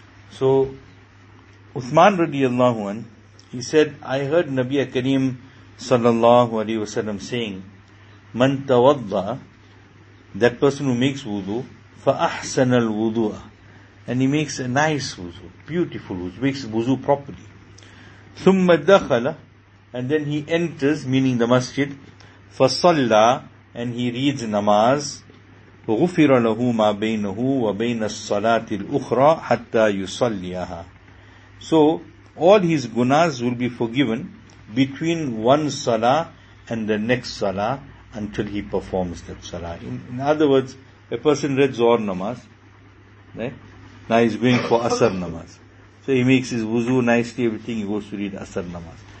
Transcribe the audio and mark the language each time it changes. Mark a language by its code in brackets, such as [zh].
[en] So, Uthman radiallahu anh, he said, I heard Nabi Akareem sallallahu alayhi wasallam saying, [ar] Man tawadda, [en] that person who makes wudu, [ar] fa ahsana al wudu'a. [en] And he makes a nice wudu, beautiful wudu, makes wudu properly. [ar] ثم دخل, [en] and then he enters, meaning the masjid, [ar] فصلى, [en] and he reads namaz, [ar] غفر له ما بينه وبين الصلاة الأخرى حتى يصليها. [en] So all his gunas will be forgiven between one salah and the next salah until he performs that salah. In other words, a person reads Zuhr namaz, right? Now he's going for Asr namaz. So he makes his wuzu nicely, everything, he goes to read Asr namaz.